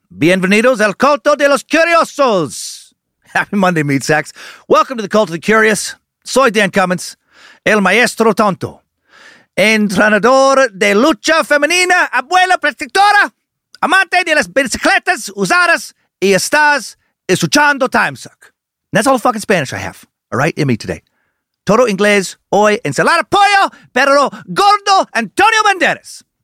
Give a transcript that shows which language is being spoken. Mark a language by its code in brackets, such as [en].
[es] Bienvenidos al culto de los curiosos. [en] Happy Monday, meat sacks. Welcome to the cult of the curious. [es] Soy Dan Cummins, el maestro tonto. Entrenador de lucha femenina, abuela protectora, amante de las bicicletas usadas y estás escuchando Time Suck. [en] And that's all the fucking Spanish I have, all right, in me today. [es] Todo inglés hoy, ensalada pollo, pero gordo Antonio Banderas.